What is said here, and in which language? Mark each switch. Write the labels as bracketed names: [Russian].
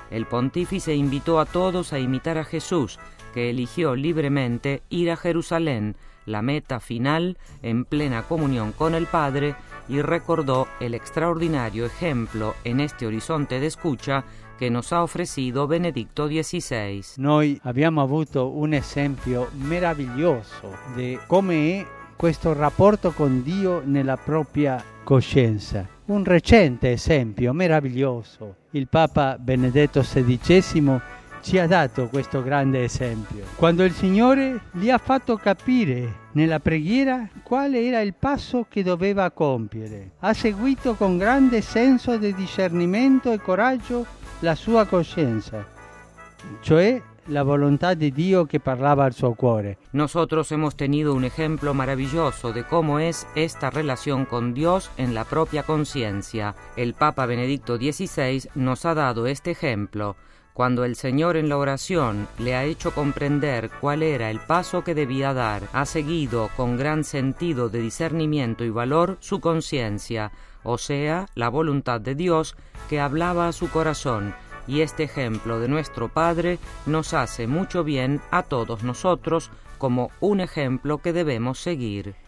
[Spanish] El pontífice invitó a todos a imitar a Jesús, que eligió libremente ir a Jerusalén, la meta final, en plena comunión con el Padre, y recordó el extraordinario ejemplo en este horizonte de escucha que nos ha ofrecido Benedicto XVI. [Italian] Noi abbiamo avuto un esempio meraviglioso de come è questo rapporto con Dio nella propria coscienza. Un recente esempio meraviglioso. Il Papa Benedetto XVI ci ha dato questo grande esempio. Quando il Signore gli ha fatto capire nella preghiera quale era il passo che doveva compiere, ha seguito con grande senso di discernimento e coraggio la sua coscienza, cioè la volontà di Dio che parlava al suo cuore. [Spanish] Nosotros hemos tenido un ejemplo maravilloso de cómo es esta relación con Dios en la propia conciencia. El Papa Benedicto XVI nos ha dado este ejemplo. Cuando el Señor en la oración le ha hecho comprender cuál era el paso que debía dar, ha seguido con gran sentido de discernimiento y valor su conciencia, o sea, la voluntad de Dios que hablaba a su corazón, y este ejemplo de nuestro Padre nos hace mucho bien a todos nosotros como un ejemplo que debemos seguir.